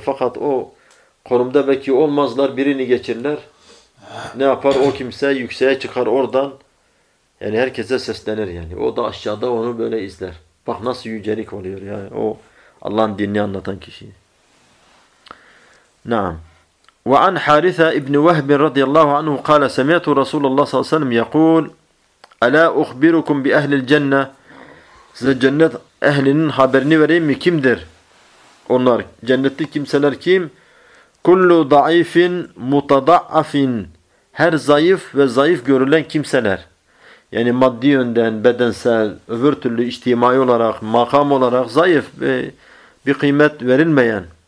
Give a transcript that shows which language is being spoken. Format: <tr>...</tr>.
<tr>Fakat o konumda belki olmazlar, birini geçirler. Ne yapar? O kimse yükseğe çıkar oradan. Yani herkese seslenir yani. O da aşağıda onu böyle izler. Bak nasıl yücelik oluyor yani. O Allah'ın dinini anlatan kişi. Naam.</tr> <ar>وعن حارثة ابن وهب رضي الله عنه قال سمعت رسول الله صلى الله عليه وسلم يقول ألا أخبركم بأهل الجنة</ar> <tr>size cennet ehlinin haberini vereyim mi? Kimdir onlar? Cennetli kimseler kim?</tr> <ar>كُلُّ ضَعِيفٍ مُتَضَعَّفٍ</ar> <tr>her zayıf ve zayıf görülen kimseler. Yani maddi yönden, bedensel, öbür türlü içtimai olarak, makam olarak zayıf ve bir kıymet verilmeyen.</tr>